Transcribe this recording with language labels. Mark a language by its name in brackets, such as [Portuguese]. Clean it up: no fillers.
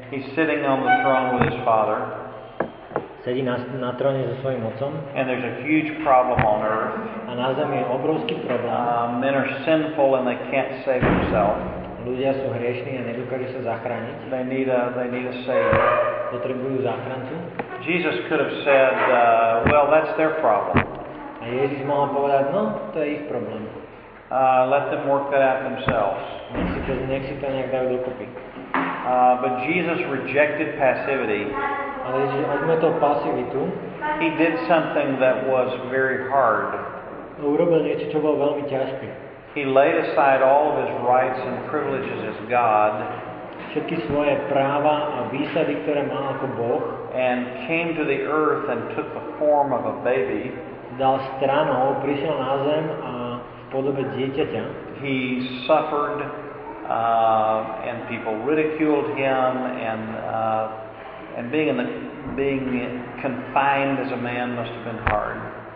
[English] He's sitting on the throne with his father. [Slovak] Sedí na tróne so svojím otcom. [English] And there's a huge problem on earth. [Slovak] A na zemi je obrovský problém. [English] Men are sinful and they can't save themselves. [Slovak] Ľudia sú hriešní a nedokážu sa zachrániť. [English] They need a savior. [Slovak] Potrebujú záchrancu. [English] Jesus could have said, well, that's their problem. [Slovak] A Ježiš mohol povedať, no, to je ich problém. [English] Let them work that out themselves. [Slovak] Nech si to nejak dajú dokopy. [English] But Jesus rejected passivity. [Slovak] Ale Ježiš odmetol pasivitu. [English] He did something that was very hard. [Slovak] Urobil niečo, čo bolo veľmi ťažké. [English] He laid aside all of his rights and privileges as God. [Slovak] Všetky svoje práva a výsady, ktoré mal ako Boh. [English] And came to the earth and took the form of a baby. [Slovak] Dal stranou, prišiel na zem a podobe dieťaťa. [English] He suffered and people ridiculed him and being confined as a man must have been hard.